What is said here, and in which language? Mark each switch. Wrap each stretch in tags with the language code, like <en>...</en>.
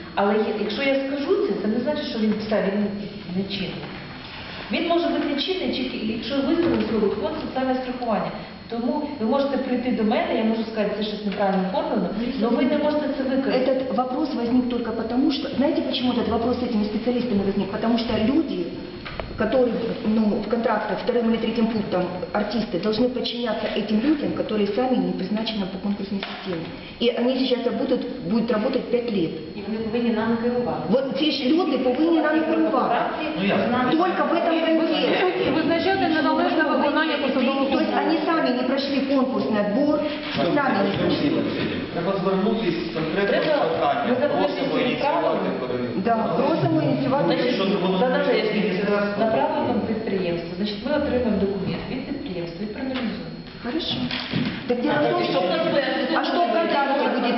<uk>Але якщо я скажу це не значить, що він писав, він не чинний. Він може бути не чинний, якщо виставив слово фонд соціального страхування. Тому ви можете прийти до мене, я можу сказати, це щось неправильно оформлено, але ви не можете це використати. Цей</uk> <ru>вопрос возник</ru> <uk>тільки тому, що, знаєте, чому цей вопрос з цими спеціалістами возник?</uk> <ru>Тому що люди, которые, ну, в контрактах вторым или третьим пунктом артисты должны подчиняться этим людям, которые сами</ru> <uk>не призначены</uk> <ru>по конкурсной системе. И они сейчас будут работать 5 лет. И они должны нам кировать. Вот те же люди должны нам кировать. Только в этом контексте. Вы назначаете на должное выполнение</ru> <uk>посадового</uk> <ru>пункта. То есть они сами не прошли конкурсный отбор, сами не прошли.</ru> <uk>Треба звернутися конкретно до питання, просимо ініціювати. Так, просимо ініціювати. Направимо вам підприємство, значить ми отримаємо документ від підприємства і проаналізуємо.</uk> <ru>Хорошо.</ru> <uk>Так я розумію, що в нас буде. А що в контракті буде</uk>